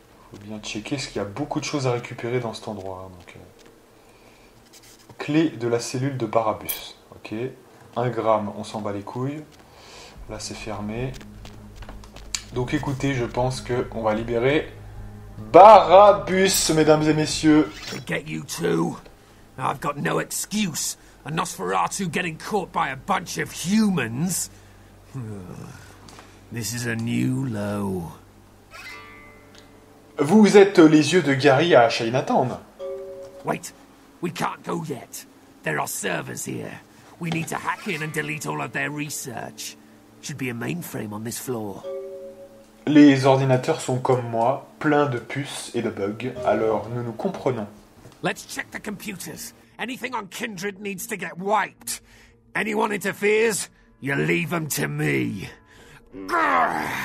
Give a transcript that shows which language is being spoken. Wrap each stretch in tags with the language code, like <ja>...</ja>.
<fr>Faut bien checker, parce qu'il y a beaucoup de choses à récupérer dans cet endroit. Hein, donc, clé de la cellule de Barabus, ok. 1 gramme, on s'en bat les couilles. Là, c'est fermé. Donc, écoutez, je pense que on va libérer... Barabus, mesdames et messieurs.</fr> <en>I get you too. I've got no excuse. A Nosferatu getting caught by a bunch of humans. This is a new low.</en> <fr>Vous êtes les yeux de Gary à Chinatown.</fr> <en>Wait, we can't go yet. There are servers here. We need to hack in and delete all of their research. Should be a mainframe on this floor.</en> <fr>Les ordinateurs sont comme moi, pleins de puces et de bugs, alors nous nous comprenons.</fr> <en>Let's check the computers. Anything on Kindred needs to get wiped. Anyone interferes, you leave them to me. Grrr.</en>